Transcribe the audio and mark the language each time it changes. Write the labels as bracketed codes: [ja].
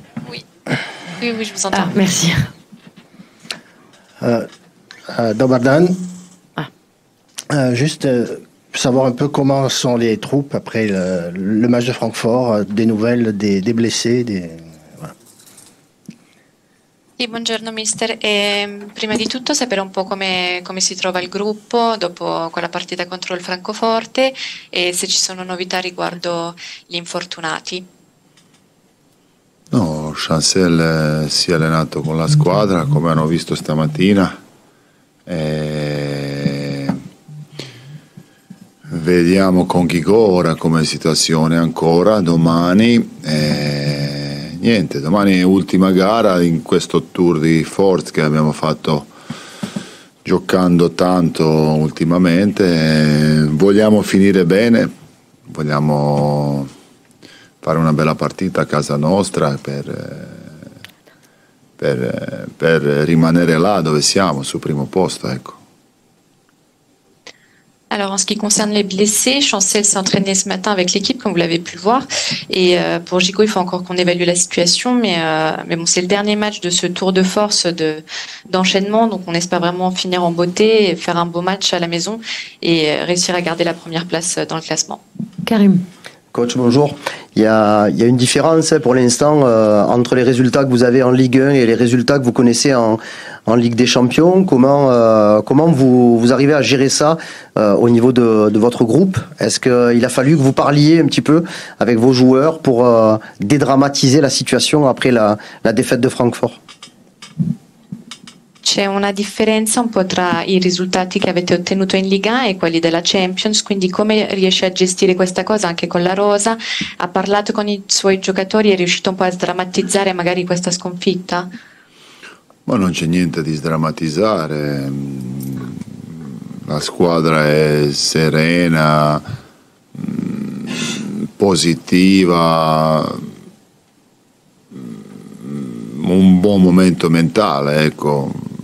[fr] Oui, je vous entends. Ah, merci. Dobardan. Juste... savoir un peu comment sont les troupes après le match de Francfort, des nouvelles, des blessés, des... Voilà. [it] Sì, buongiorno mister. E, prima di tutto sapere un po' come si trova il gruppo dopo quella partita contro il Francoforte e se ci sono novità riguardo gli infortunati. No, Chancel si è allenato con la squadra, come hanno visto stamattina. Vediamo con Chico ora come situazione ancora domani. Niente, domani è ultima gara in questo tour di Ford che abbiamo fatto giocando tanto ultimamente. Vogliamo finire bene, vogliamo fare una bella partita a casa nostra per rimanere là dove siamo, sul primo posto, ecco. [fr] Alors, en ce qui concerne les blessés, Chancel s'est entraîné ce matin avec l'équipe, comme vous l'avez pu le voir. Et pour Gico, il faut encore qu'on évalue la situation. Mais bon, c'est le dernier match de ce tour de force d'enchaînement. Donc, on espère vraiment finir en beauté, et faire un beau match à la maison et réussir à garder la première place dans le classement. Karim. Coach, bonjour. Il y a une différence pour l'instant entre les résultats que vous avez en Ligue 1 et les résultats que vous connaissez en Ligue des Champions. Comment vous arrivez à gérer ça au niveau de votre groupe? Est-ce qu'il a fallu que vous parliez un petit peu avec vos joueurs pour dédramatiser la situation après la défaite de Francfort? [it] C'è una differenza un po' tra i risultati che avete ottenuto in Liga e quelli della Champions, quindi come riesce a gestire questa cosa anche con la Rosa? Ha parlato con i suoi giocatori, è riuscito un po' a sdrammatizzare magari questa sconfitta? Ma non c'è niente di sdrammatizzare, la squadra è serena, positiva, un buon momento mentale, ecco.